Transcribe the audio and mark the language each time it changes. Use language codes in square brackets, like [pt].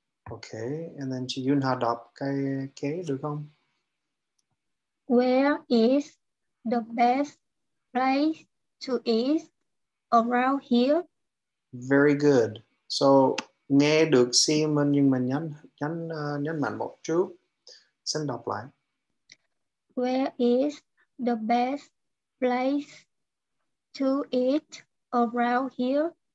[en] Okay, and then [vi] chị Yun Hà đọc cái kế được không? [en] Where is the best place to eat around here? Very good. [vi] So nghe được Simon nhưng mà nhấn mạnh một chút. Xin đọc lại. [en] Where is the best place to eat around here?